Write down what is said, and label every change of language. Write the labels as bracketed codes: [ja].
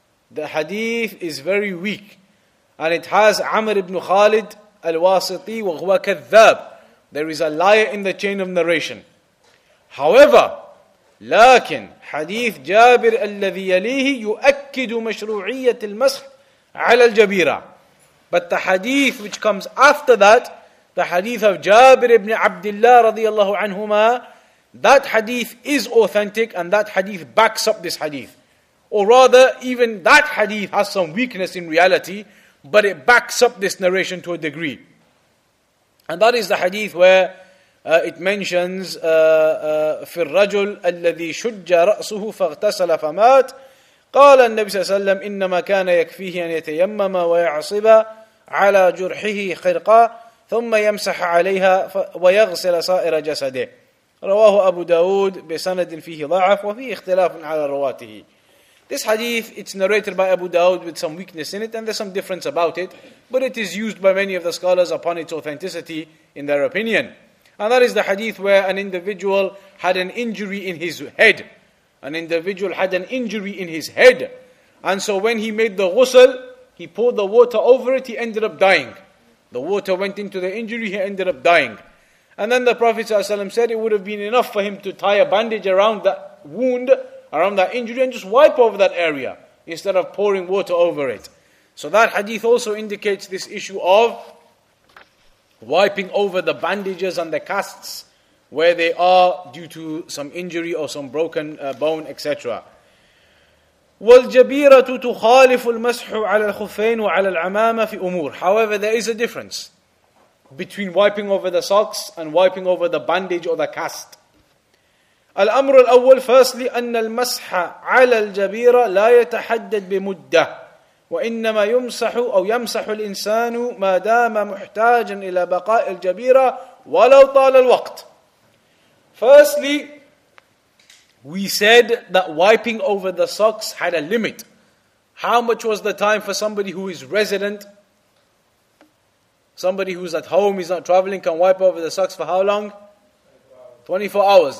[en] The hadith is very weak. And it has Amr ibn Khalid al-Wasiti [ar] wa huwa kadhab. [en] There is a liar in the chain of narration. However, [ar] لكن حديث جابر الذي يليه يؤكد مشروعية المسح على الجبيرة. [en] But the hadith which comes after that, the hadith of جابر ابن عبد الله رضي الله عنهما, that hadith is authentic and that hadith backs up this hadith. Or rather, even that hadith has some weakness in reality, but it backs up this narration to a degree. And that is the hadith where it mentions [ar] في الرجل الذي شج رأسه فاغتسل فمات قال النبي صلى الله عليه وسلم إنما كان يكفيه أن يتيمم ويعصب على جرحه خرقة ثم يمسح عليها ويغسل سائر جسده رواه أبو داود بسند فيه ضعف وفيه اختلاف على رواته. [en] This hadith, it's narrated by Abu Dawud with some weakness in it, and there's some difference about it, but it is used by many of the scholars upon its authenticity in their opinion. And that is the hadith where an individual had an injury in his head. An individual had an injury in his head. And so when he made the ghusl, he poured the water over it, he ended up dying. The water went into the injury, he ended up dying. And then the Prophet ﷺ said it would have been enough for him to tie a bandage around that wound, around that injury, and just wipe over that area instead of pouring water over it. So that hadith also indicates this issue of wiping over the bandages and the casts where they are due to some injury or some broken bone, etc. [ar] وَالْجَبِيرَةُ تُخَالِفُ الْمَسْحُ عَلَى الْخُفَّيْنِ وَعَلَى الْعَمَامَةِ فِي أُمُورٍ. [en] However, there is a difference between wiping over the socks and wiping over the bandage or the cast. [ar] الأمر الأول, [en] firstly, [ar] أن المسح على الجبيرة لا يتحدد بمدة وإنما يمسح أو يمسح الإنسان ما دام محتاجا إلى بقاء الجبيرة ولو طال الوقت. [en] Firstly, we said that wiping over the socks had a limit. How much was the time for somebody who is resident? Somebody who's at home, he's not traveling, can wipe over the socks for how long? 24 hours.